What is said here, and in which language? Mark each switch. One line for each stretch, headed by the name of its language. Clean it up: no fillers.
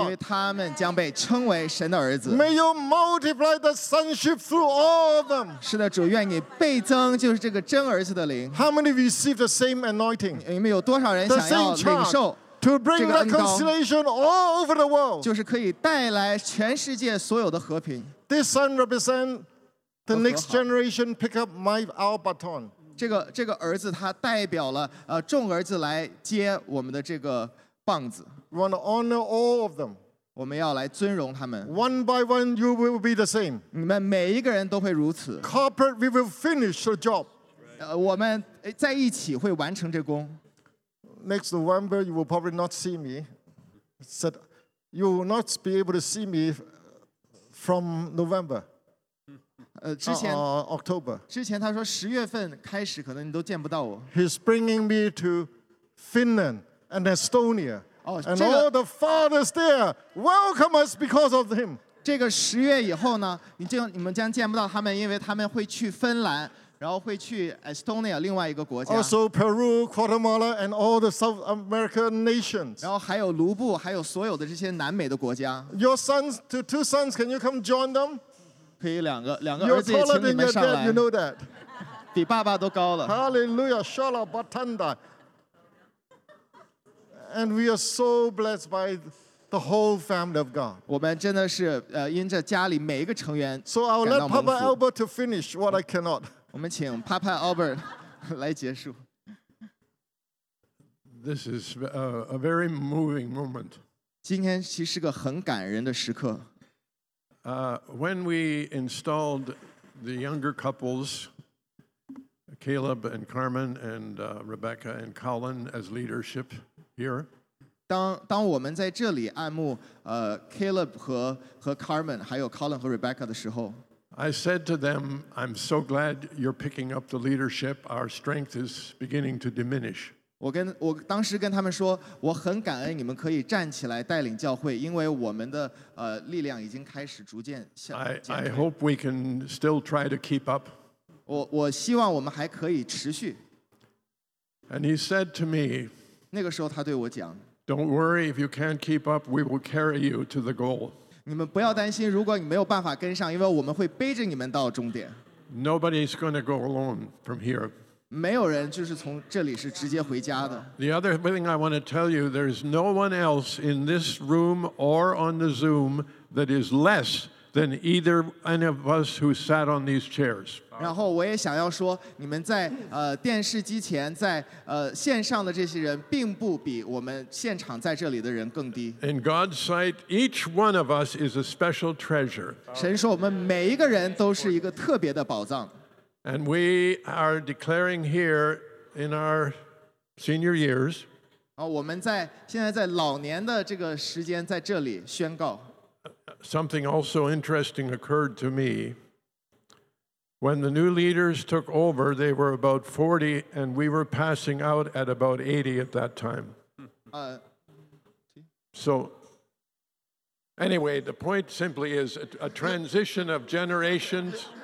Chinese: 因为他们将被称为神的儿子。
English: May you multiply the sonship through all of them.
Chinese: 是的，主，愿你倍增，就是这个真儿子的灵。
English: How many receive the same anointing?
Chinese: 你们有多少人想要领受？
English: To bring reconciliation all over the world.
Chinese: 就是可以带来全世界所有的和平。
English: This son represents the next generation pick up our baton.
Chinese: 这个儿子他代表了众儿子来接我们的这个棒子。
English: We want to honor all of them. One by one, you will be the same.
Chinese: 你们每一个人都会如此。
English: Corporate, we will finish the job.
Chinese: 我们在一起会完成这工。
English: Next November, you will probably not see me. Said, you will not be able to see me from November.
Chinese: 之前
English: October.
Chinese: 之前他说十月份开始可能你都见不到我。
English: He's bringing me to Finland and Estonia. And all the fathers there welcome us because of him.
Chinese: 这个十月以后呢，你们将见不到他们，因为他们会去芬兰，然后会去 Estonia 另外一个国家。
English: Also Peru, Guatemala, and all the South American nations.
Chinese: 然后还有卢布，还有所有的这些南美的国家。
English: Your sons, two sons, can you come join them?
Chinese: 可以两个儿子也请你们上来。
English: You know that.
Chinese: 比爸爸都高了。 Hallelujah, Shala Batanda.
English: And we are so blessed by the whole family of God.
Chinese: 我们真的是因着家里每一个成员感到蒙福。
English: So I'll let Papa Albert to finish what I cannot.
Chinese: 我们请 Papa Albert 来结束。
English: This is a very moving moment.
Chinese: 今天其实是个很感人的时刻。
English: When we installed the younger couples, Caleb and Carmen and Rebecca and Colin as leadership,Here,
Chinese: 当我们在这里按牧Caleb 和 Carmen 还有 Colin 和 Rebecca 的时候
English: I said to them, I'm so glad you're picking up the leadership. Our strength is beginning to diminish.
Chinese: 我当时跟他们说，我很感恩你们可以站起来带领教会，因为我们的力量已经开始逐渐下降。
English: I hope we can still try to keep up.
Chinese: 我希望我们还可以持续。
English: And he said to me.
Chinese: 那个时候他对我讲
English: Don't worry if you can't keep up, we will carry you to the goal.
Chinese: 你们不要担心如果你没有办法跟上因为我们会背着你们到终点
English: Nobody's going to go alone from here.
Chinese: 没有人就是从这里是直接回家的
English: The other thing I want to tell you, there is no one else in this room or on the Zoom that is less than either any of us who sat on these chairs.
Chinese: 然后我也想要说，你们在电视机前，在线上的这些人，并不比我们现场在这里的人更低。
English: In God's sight, each one of us is a special treasure.
Chinese: 神说，我们每一个人都是一个特别的宝藏。
English: And we are declaring here in our senior years.
Chinese: 我们在现在在老年的这个时间，在这里宣告。
English: Something also interesting occurred to me. When the new leaders took over, they were about 40, and we were passing out at about 80 at that time. So, anyway, the point simply is a transition of generations.